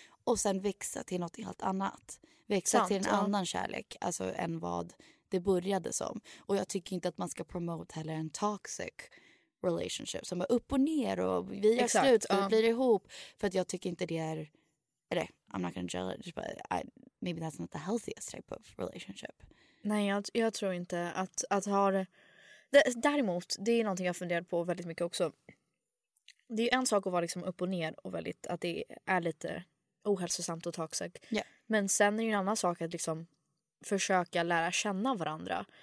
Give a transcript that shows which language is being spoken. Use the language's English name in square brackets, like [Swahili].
[Swedish] Och sen växa till något helt annat. Växa till en annan kärlek, alltså än vad det började som. Och jag tycker inte att man ska promote heller en toxic relationship som är upp och ner och vi gör slut och blir ihop, för att jag tycker inte det är... [English] I'm not gonna judge, but maybe that's not the healthiest type of relationship. [Swedish] Nej, jag tror inte att ha det. Däremot, det är någonting jag funderat på väldigt mycket också. Det är ju en sak att vara liksom upp och ner och väldigt, att det är lite ohälsosamt och toxic. [English] Yeah. [Swedish] Men sen är det ju en annan sak att liksom försöka lära känna varandra.